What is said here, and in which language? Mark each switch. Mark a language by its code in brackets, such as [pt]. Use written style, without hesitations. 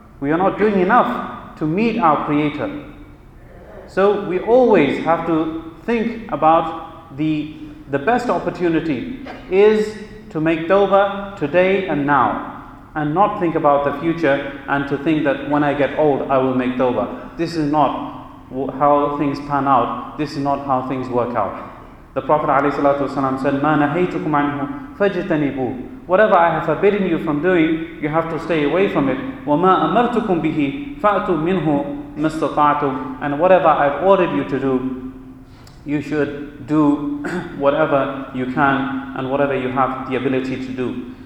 [en] We are not doing enough to meet our Creator. So we always have to think about the best opportunity is to make tawbah today and now, and not think about the future and to think that when I get old I will make tawbah. This is not how things pan out. This is not how things work out. The Prophet ﷺ said, [ar] مَا نَهَيْتُكُمْ عَنْهُ فَجِتَنِبُوا. [en] Whatever I have forbidden you from doing, you have to stay away from it. [ar] وَمَا أَمَرْتُكُمْ بِهِ فَأْتُوا مِنْهُ مَا اسْتَطَعْتُمْ. [en] And whatever I've ordered you to do, you should do whatever you can and whatever you have the ability to do.